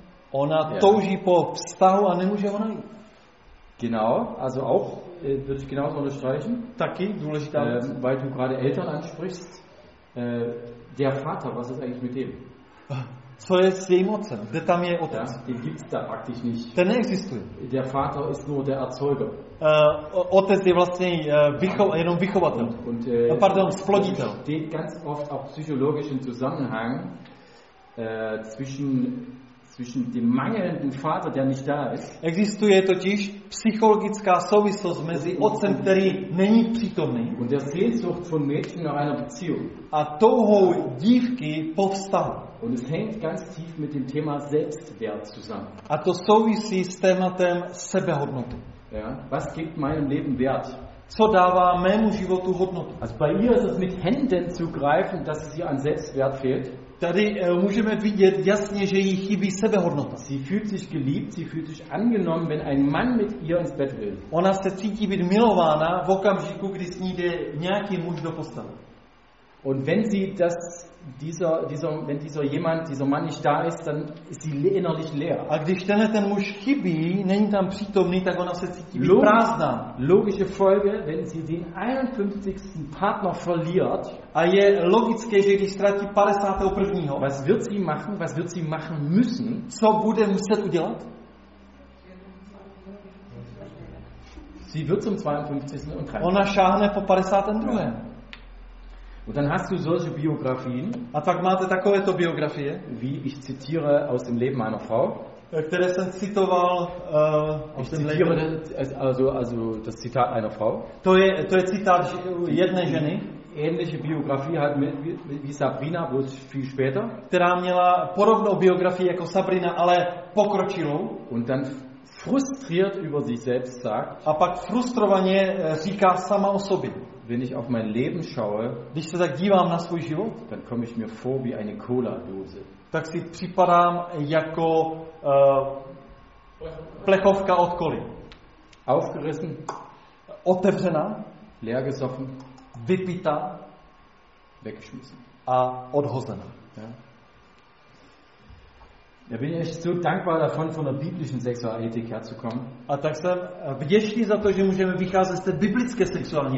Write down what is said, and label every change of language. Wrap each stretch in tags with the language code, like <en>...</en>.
<cs>Ona touží po vztahu a nemůže ho najít.</cs> <de>Genau, also auch, würde ich genauso unterstreichen. Taky, du lässt die Bord. Weil du gerade Eltern ansprichst, der Vater, was ist eigentlich mit dem?</de> <cs>Co je s jejím otcem? Kde tam je otec?</cs> <de>Ja, den gibt's da praktisch nicht.</de> <cs>Ten neexistuje.</cs> <de>Der Vater ist nur der Erzeuger.</de> <cs>Otec je vlastně jenom vychovatel. Pardon, zploditel.</cs> <de>Steht ganz oft auch psychologischen Zusammenhang zwischen dem mangelnden Vater, der nicht da ist.</de> <cs>Existuje totiž psychologická souvislost mezi otcem, který není přítomný.</cs> <de>Und der Sehnsucht von Mädchen nach einer Beziehung.</de> <cs>A touhou dívky po vztahu.</cs> <de>Und es hängt ganz tief mit dem Thema Selbstwert zusammen.</de> <cs>A to souvisí s tématem sebehodnoty.</cs> <de>Ja, was gibt meinem Leben Wert?</de> <cs>Co dává mému životu hodnotu?</cs> <de>Also bei ihr ist es mit Händen zu greifen, dass es ihr an Selbstwert fehlt.</de> <cs>Tady můžeme vidět jasně, že jí chybí sebehodnota.</cs> <de>Sie fühlt sich geliebt, sie fühlt sich angenommen, wenn ein Mann mit ihr ins Bett will.</de> <cs>Ona se cítí být milována v okamžiku, kdy s ní jde nějaký muž do postele.</cs> <de>Und wenn sie das dieser Mann nicht da ist, dann ist sie innerlich leer.</de> <cs>A když tenhle ten muž chybí, není tam přítomný, tak ona se cítí být prázdná.</cs> <de>Logische Folge, wenn sie den 51. Partner verliert,</de> <cs>a je logické, že když ztratí 51.</cs> <de>Was wird sie machen? Was wird sie machen müssen?</de> <cs>Co bude muset udělat?</cs> <de>Sie wird zum 52. und 30.</de> <cs>Ona šáhne po 52.</cs> <de>Und dann hast du solche Biografien.</de> <cs>A tak máte takovéto biografie,</cs> <de>wie ich zitiere aus dem Leben meiner Frau.</de> <cs>Které jsem citoval</cs> <de>aus dem Leben. Also das Zitat einer Frau.</de> <cs>To je citát jedné ženy.</cs> <de>Ähnliche Biografie hat wie Sabrina, wo es viel später.</de> <cs>Která měla podobnou biografii jako Sabrina, ale pokročilou.</cs> <de>Und dann frustriert über sich selbst sagt.</de> <cs>A pak frustrovaně říká sama o sobě.</cs> <de>Wenn ich auf mein Leben schaue,</de> <cs>když se tak dívám na svůj život,</cs> <de>dann komme ich mir vor wie eine Cola-Dose.</de> <cs>Tak si připadám jako plechovka od koly.</cs> <de>Aufgerissen,</de> <cs>otevřená,</cs> <de>leer gesoffen,</de> <cs>vypita,</cs> <de>weggeschmissen.</de> <cs>A odhozená. Ja.</cs> <de>Ja, bin ich so dankbar davon, von der biblischen Sexualethik herzukommen.</de> <cs>A tak jsem vděčný za to, že můžeme vycházet z té biblické sexuální</cs>